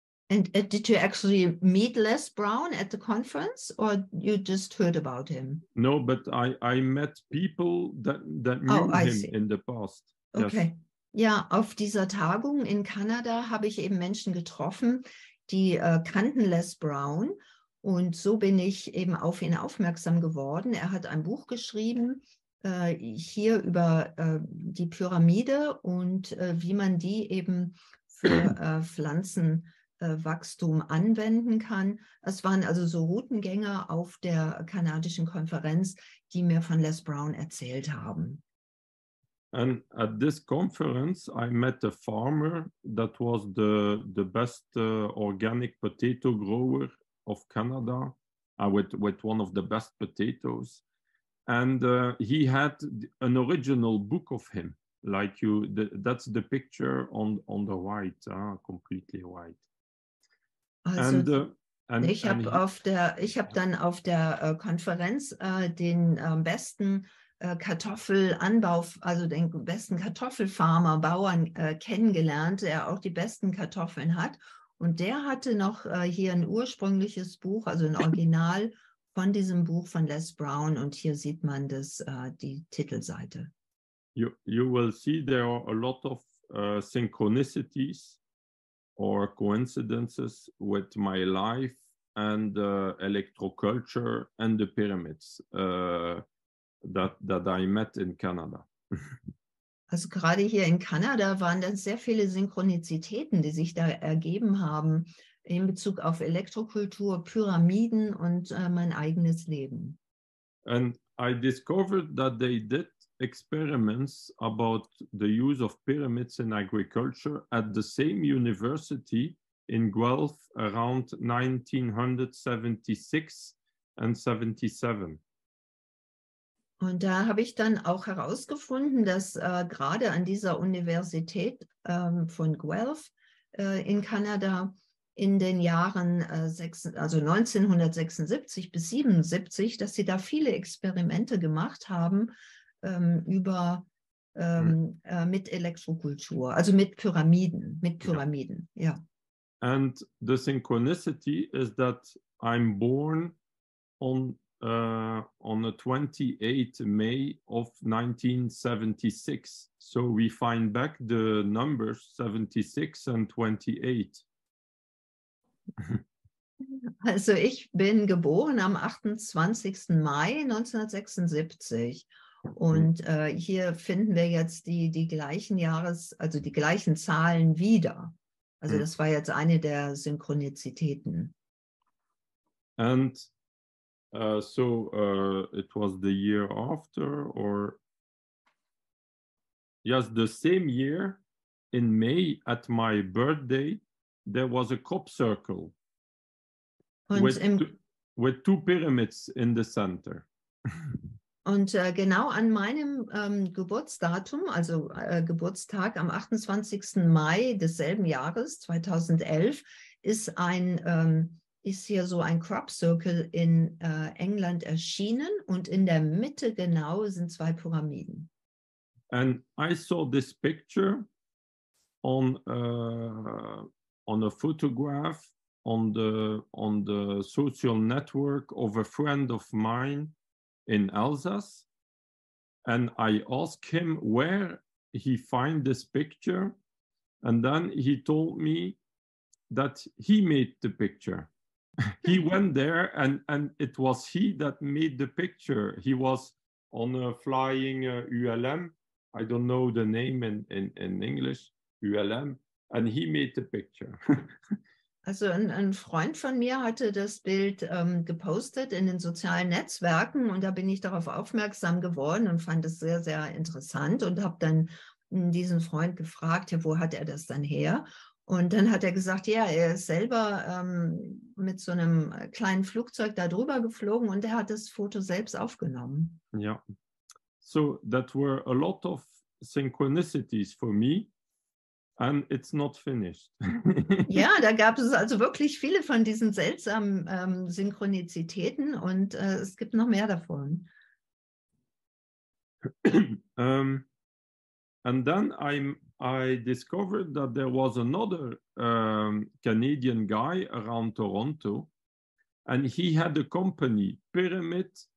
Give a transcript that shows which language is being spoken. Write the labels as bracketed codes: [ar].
[en] And did you actually meet Les Brown at the conference, or you just heard about him? No, but I met people that knew him in the past. Okay, [de] Ja, auf dieser Tagung in Kanada habe ich eben Menschen getroffen, die kannten Les Brown. Und so bin ich eben auf ihn aufmerksam geworden. Er hat ein Buch geschrieben, hier über die Pyramide und wie man die eben für Pflanzenwachstum anwenden kann. Es waren also so Routengänger auf der kanadischen Konferenz, die mir von Les Brown erzählt haben. [en] And at this conference, I met a farmer that was the best organic potato grower of Canada, with one of the best potatoes. And he had an original book of him, like you. That's the picture on the right, completely white. [de] Also, ich hab dann auf der Konferenz den besten Kartoffelanbau, also den besten Kartoffelfarmer, Bauern kennengelernt, der auch die besten Kartoffeln hat. Und der hatte noch hier ein ursprüngliches Buch, also ein Original von diesem Buch von Les Brown. Und hier sieht man das, die Titelseite. [en] You will see there are a lot of synchronicities or coincidences with my life and electroculture and the pyramids that I met in Canada. [de] Also gerade hier in Kanada waren dann sehr viele Synchronizitäten, die sich da ergeben haben in Bezug auf Elektrokultur, Pyramiden und mein eigenes Leben. [en] And I discovered that they did experiments about the use of pyramids in agriculture at the same university in Guelph around 1976 and 77. [de] Und da habe ich dann auch herausgefunden, dass gerade an dieser Universität von Guelph in Kanada in den Jahren also 1976 bis 77, dass sie da viele Experimente gemacht haben mit Elektrokultur, also mit Pyramiden, ja. [en] And the synchronicity is that I'm born on the 28th May of 1976. So we find back the numbers 76 and 28. [de] Also ich bin geboren am 28. Mai 1976 und hier finden wir jetzt die gleichen Jahres, also die gleichen Zahlen wieder. Also das war jetzt eine der Synchronizitäten. [en] And so it was the year after, or yes, the same year in May at my birthday, there was a crop circle [de] Und im [en] with two pyramids in the center. [de] und genau an meinem Geburtsdatum, also Geburtstag am 28. Mai desselben Jahres, 2011, ist hier so ein Crop Circle in England erschienen und in der Mitte genau sind zwei Pyramiden. [en] And I saw this picture on a photograph on the social network of a friend of mine in Alsace. And I asked him where he find this picture. And then he told me that he made the picture. He went there and it was he that made the picture. He was on a flying ULM. I don't know the name in English, ULM, and he made the picture. [de] Also ein Freund von mir hatte das Bild gepostet in den sozialen Netzwerken und da bin ich darauf aufmerksam geworden und fand es sehr, sehr interessant und habe dann diesen Freund gefragt, ja, wo hat er das dann her? Und dann hat er gesagt, ja, er ist selber mit so einem kleinen Flugzeug da drüber geflogen und er hat das Foto selbst aufgenommen. [en] Yeah, so that were a lot of synchronicities for me, and it's not finished. [de] Ja, da gab es also wirklich viele von diesen seltsamen Synchronizitäten und es gibt noch mehr davon. [en] And then I discovered that there was another Canadian guy around Toronto, and he had a company, Pyramid.